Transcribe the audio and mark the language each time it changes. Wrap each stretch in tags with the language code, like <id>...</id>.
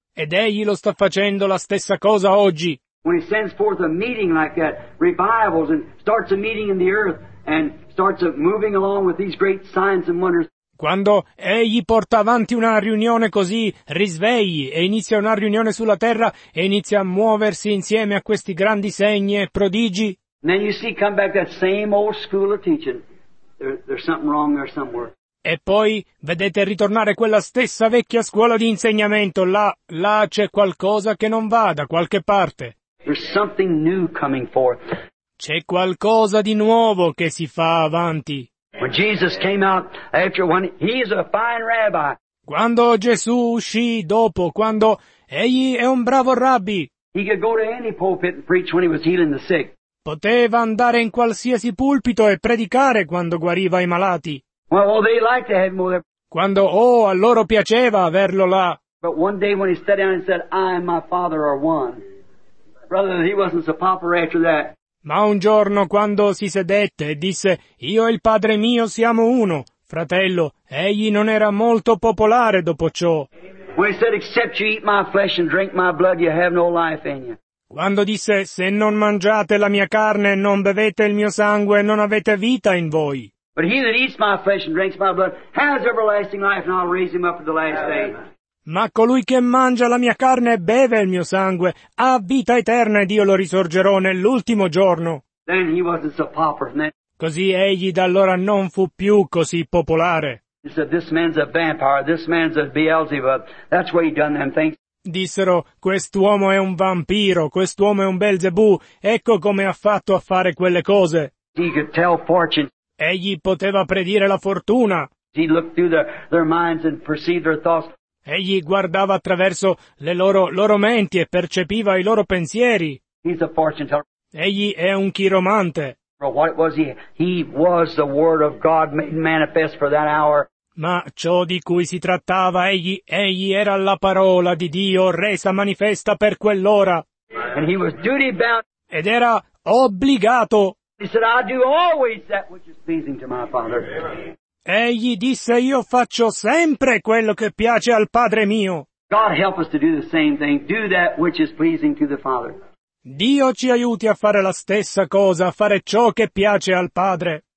<it>Ed egli lo sta facendo la stessa cosa oggi.</it> <en>When he sends forth a meeting like that, revivals, and starts a meeting in the earth, and starts moving along with these great signs and wonders.</en> <it>Quando egli porta avanti una riunione così, risvegli e inizia una riunione sulla terra e inizia a muoversi insieme a questi grandi segni e prodigi.</it> <en>Then you see come back that same old school of teaching. There's something wrong there somewhere.</en> <it>E poi vedete ritornare quella stessa vecchia scuola di insegnamento. Là c'è qualcosa che non va da qualche parte.</it> <en>There's something new coming forth.</en> <it>C'è qualcosa di nuovo che si fa avanti.</it> <en>When Jesus came out after one, he's a fine rabbi.</en> <it>Quando Gesù uscì dopo, quando egli è un bravo rabbi.</it> <en>He could go to any pulpit and preach when he was healing the sick.</en> <it>Poteva andare in qualsiasi pulpito e predicare quando guariva i malati.</it> <en>Well, they liked to have him there.</en> <it>Quando, oh, a loro piaceva averlo là.</it> <en>But one day when he sat down and said, I and my father are one. Brother, he wasn't so popular after that.</en> <it>Ma un giorno, quando si sedette e disse, io e il padre mio siamo uno, fratello, egli non era molto popolare dopo ciò.</it> <en>When he said, except you eat my flesh and drink my blood, you have no life in you.</en> <it>Quando disse, se non mangiate la mia carne e non bevete il mio sangue, non avete vita in voi.</it> <en>But he that eats my flesh and drinks my blood has everlasting life, and I'll raise him up at the last day.</en> <it>Ma colui che mangia la mia carne e beve il mio sangue ha vita eterna ed io lo risorgerò nell'ultimo giorno.</it> <en>Then he wasn't so popular.</en> <it>Così egli da allora non fu più così popolare.</it> <en>He said, this man's a vampire, this man's a Beelzebub. That's why he done them things.</en> <it>Dissero, quest'uomo è un vampiro, quest'uomo è un Belzebù, ecco come ha fatto a fare quelle cose.</it> <en>He could tell fortune.</en> <it>Egli poteva predire la fortuna.</it> <en>He looked through their minds and perceived their thoughts.</en> <it>Egli guardava attraverso le loro menti e percepiva i loro pensieri.</it> <en>He's a fortune teller.</en> <it>Egli è un chiromante.</it> <en>What was he? He was the word of God made manifest for that hour.</en> <it>Ma ciò di cui si trattava, egli era la parola di Dio resa manifesta per quell'ora.</it> <en>And he was duty bound.</en> <it>Ed era obbligato.</it> <en>He said, I do always that which is pleasing to my father.</en> <it>Egli disse, io faccio sempre quello che piace al Padre mio.</it> <en>God help us to do the same thing, do that which is pleasing to the Father.</en> <it>Dio ci aiuti a fare la stessa cosa, a fare ciò che piace al Padre.</it>